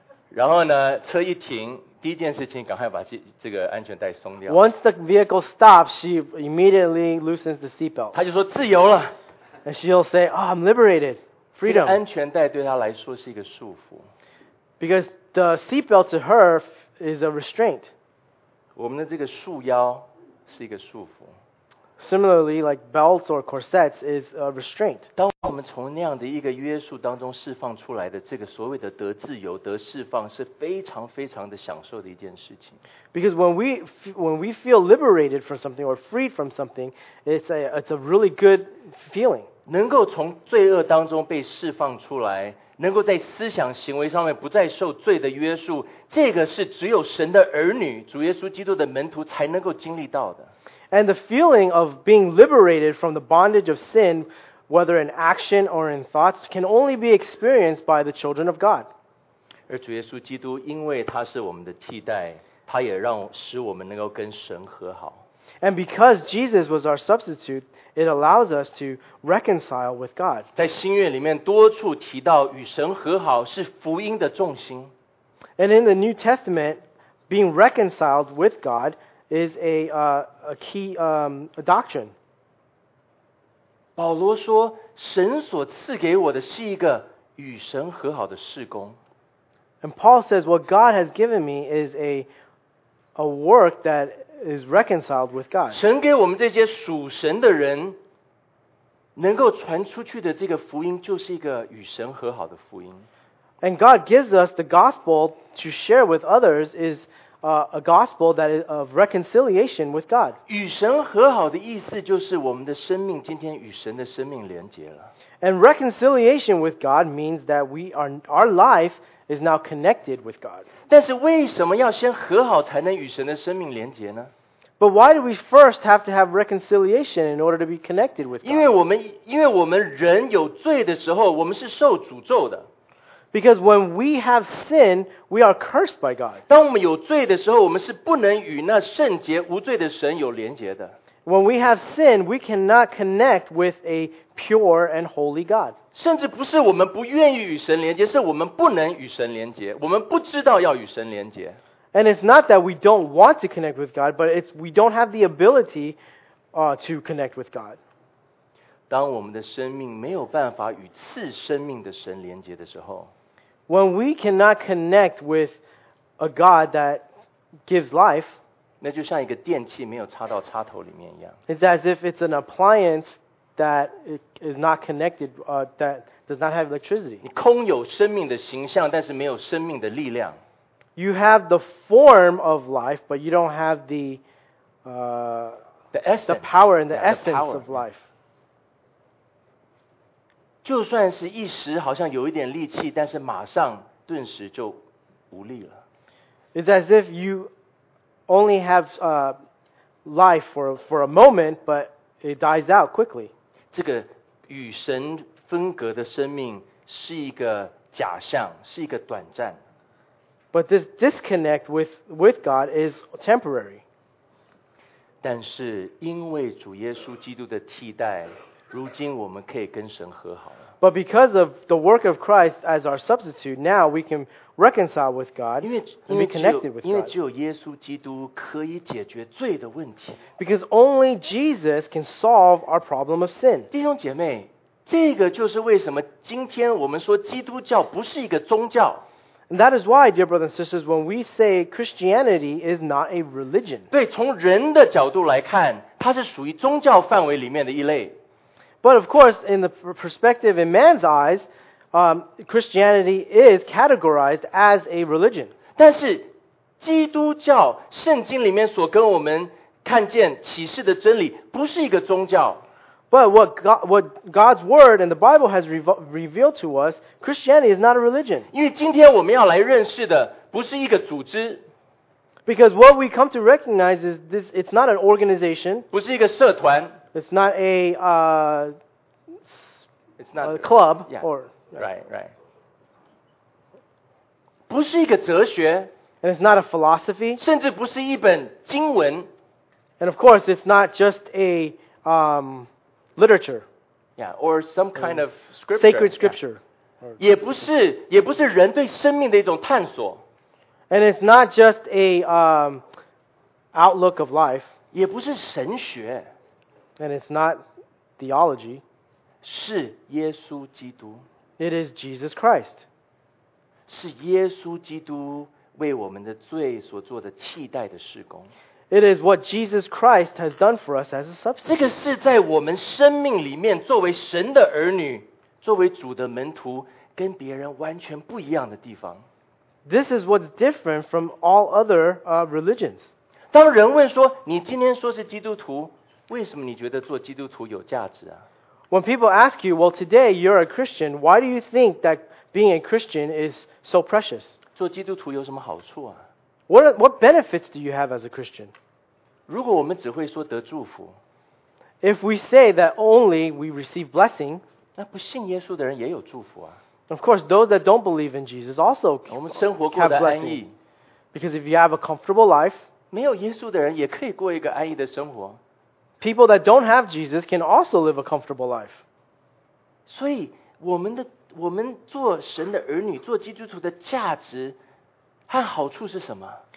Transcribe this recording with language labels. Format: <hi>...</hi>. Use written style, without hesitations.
<zh>然后呢，车一停，第一件事情赶快把这个安全带松掉。</zh> <en>Once the vehicle stops, she immediately loosens the seatbelt.</en> <zh>她就说自由了。</zh> <en>And she'll say, "Oh, I'm liberated, freedom."</en> <zh>这个安全带对她来说是一个束缚。</zh> <en>Because the seatbelt to her is a restraint.</en> <zh>我们的这个束腰是一个束缚。</zh> <en>Similarly, like belts or corsets is a restraint.</en> <zh>当我们从那样的一个约束当中释放出来的这个所谓的得自由、得释放，是非常非常的享受的一件事情。</zh> <en>Because when we feel liberated from something or freed from something, it's a really good feeling.</en> <zh>能够从罪恶当中被释放出来，能够在思想行为上面不再受罪的约束，这个是只有神的儿女、主耶稣基督的门徒才能够经历到的。</zh> <en>And the feeling of being liberated from the bondage of sin, whether in action or in thoughts, can only be experienced by the children of God.</en> <zh>而主耶稣基督，因为他是我们的替代，他也让使我们能够跟神和好。</zh> <en>And because Jesus was our substitute, it allows us to reconcile with God.</en> <zh>在新约里面多处提到与神和好是福音的重心。</zh> <en>And in the New Testament, being reconciled with God is a key doctrine.</en> <zh>保罗说，神所赐给我的是一个与神和好的事工。</zh> <en>And Paul says, what God has given me is a work that is reconciled with God.</en> <zh>神给我们这些属神的人能够传出去的这个福音就是一个与神和好的福音。</zh> <en>And God gives us the gospel to share with others is a gospel that is of reconciliation with God.</en> <zh>与神和好的意思就是我们的生命今天与神的生命连结了。</zh> <en>And reconciliation with God means that our life is now connected with God.</en> <zh>但是为什么要先和好才能与神的生命连结呢？</zh> <en>But why do we first have to have reconciliation in order to be connected with God?</en> <zh>因为我们人有罪的时候，我们是受诅咒的。</zh> <en>Because when we have sin, we are cursed by God.</en> <zh>当我们有罪的时候，我们是不能与那圣洁无罪的神有连结的。</zh> <en>When we have sin, we cannot connect with a pure and holy God.</en> <zh>甚至不是我们不愿意与神连接，是我们不能与神连接，我们不知道要与神连接。</zh> <en>And it's not that we don't want to connect with God, but it's we don't have the ability, to connect with God.</en> <zh>当我们的生命没有办法与赐生命的神连接的时候</zh> <en>，When we cannot connect with a God that gives life,</en> <zh>那就像一个电器没有插到插头里面一样。</zh> <en>It's as if it's an appliance that is not connected, that does not have electricity.</en> <zh>你空有生命的形象，但是没有生命的力量。</zh> <en>You have the form of life, but you don't have the power and the essence of life.</en> <zh>就算是一时好像有一点力气，但是马上顿时就无力了。</zh> <en>It's as if you only have life for a moment, but it dies out quickly.</en> <zh>这个与神分隔的生命是一个假象，是一个短暂。</zh> <en>But this disconnect with God is temporary.</en> <zh>但是因为主耶稣基督的替代，如今我们可以跟神和好了。</zh> <en>But because of the work of Christ as our substitute, now we can reconcile with God and be connected with God.</en> <zh>因为只有耶稣基督可以解决罪的问题。</zh> <en>Because only Jesus can solve our problem of sin.</en> <zh>弟兄姐妹，这个就是为什么今天我们说基督教不是一个宗教。</zh> <en>And that is why, dear brothers and sisters, when we say Christianity is not a religion.</en> <zh>对，从人的角度来看，它是属于宗教范围里面的一类。</zh> <en>But of course, in the perspective in man's eyes, Christianity is categorized as a religion.</en> <zh>但是基督教，圣经里面所跟我们看见启示的真理，不是一个宗教。</zh> <en>But what God's word and the Bible has revealed to us, Christianity is not a religion.</en> <zh>因为今天我们要来认识的不是一个组织。</zh> <en>Because what we come to recognize is this, it's not an organization.</en> <zh>不是一个社团。</zh> <en>It's not a, it's not a club. Yeah, or, right.</en> <zh>不是一个哲学。</zh> <en>And it's not a philosophy.</en> <zh>甚至不是一本经文。</zh> <en>And of course, it's not just a, literature, yeah, or some kind of scripture, sacred scripture, yeah.</en> <zh>也不是人对生命的一种探索</zh> <en>and it's not just a outlook of life,</en> <zh>也不是神学</zh> <en>and it's not theology,</en> <zh>是耶稣基督</zh> <en>it is Jesus Christ,</en> <zh>是耶稣基督为我们的罪所做的替代的事工。</zh> <en>It is what Jesus Christ has done for us as a substitute.</en> <zh>这个是在我们生命里面作为神的儿女作为主的门徒跟别人完全不一样的地方。</zh> <en>This is what's different from all other religions.</en> <zh>当人问说你今天说是基督徒为什么你觉得做基督徒有价值啊</zh> <en>When people ask you, well, today you're a Christian, why do you think that being a Christian is so precious?</en> <zh>做基督徒有什么好处啊</zh> <en>What benefits do you have as a Christian?</en> <zh>如果我们只会说得祝福</zh> <en>If we say that only we receive blessing,</en> <zh>那不信耶稣的人也有祝福啊</zh> <en>Of course, those that don't believe in Jesus also</en> <zh>我们生活过得安逸</zh> <en>Because if you have a comfortable life,</en> <zh>没有耶稣的人也可以过一个安逸的生活。</zh> <en>People that don't have Jesus can also live a comfortable life.</en> <zh>所以我们做神的儿女，做基督徒的价值和好处是什么？</zh>